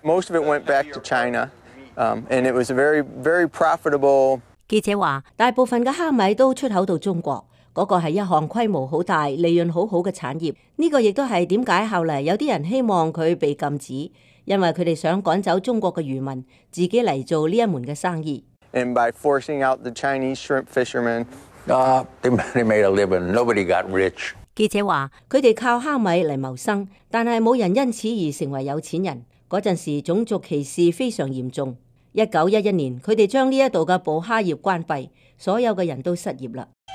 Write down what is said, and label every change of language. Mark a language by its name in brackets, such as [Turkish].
[English] Most of it went back to China, and it was a very, very profitable. [Chinese] 记者话，大部分的虾米都出口到中国，那个是一项规模很大、利润很好的产业。这个也是为什么后来有些人希望它被禁止，因为他们想赶走中国的渔民，自己来做这一门的生意。 [English] And by forcing out the Chinese shrimp fishermen, they made a living. Nobody got rich. [Chinese] 记者说，他们靠虾米来谋生，但是没人因此而成为有钱人。那阵时种族歧视非常严重。1911年，他们将这里的捕虾业关闭，所有的人都失业了。